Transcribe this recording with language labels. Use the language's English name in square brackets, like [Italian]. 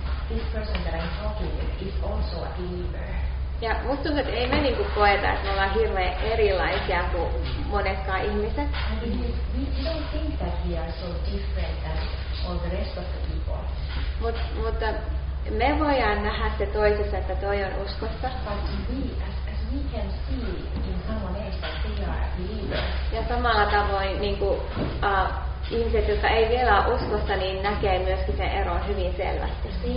[English] This person that I'm talking with is also a believer. [Finnish] Ja musta tuntuu, että ei me niinku koeta, että me ollaan hirveän erilaisia kuin monetkaan ihmiset. [English] We don't think that we are so different than all the rest of the people. [Finnish] Mutta me voidaan nähdä se toisessa, että toi on uskossa. [English] But as we can see in someone else that they are a believer. [Finnish] Ja samalla tavoin niinku ihmiset, jotka ei vielä uskossa, niin näkee myöskin sen eron hyvin selvästi.